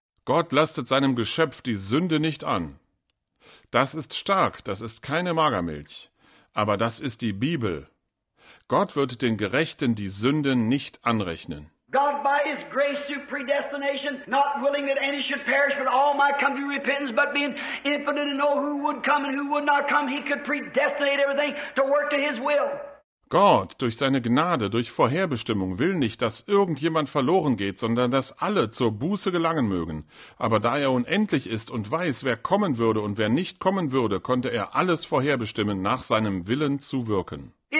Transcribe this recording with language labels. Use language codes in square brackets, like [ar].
[de] Gott lastet seinem Geschöpf die Sünde nicht an. Das ist stark, das ist keine Magermilch. Aber das ist die Bibel. Gott wird den Gerechten die Sünden nicht anrechnen. [en] God by his grace through predestination, not willing that any should perish, but all might come to repentance, but being infinite and know who would come and who would not come, he could predestinate everything to work to his will. [de] Gott, durch seine Gnade, durch Vorherbestimmung, will nicht, dass irgendjemand verloren geht, sondern dass alle zur Buße gelangen mögen. Aber da er unendlich ist und weiß, wer kommen würde und wer nicht kommen würde, konnte er alles vorherbestimmen, nach seinem Willen zu wirken.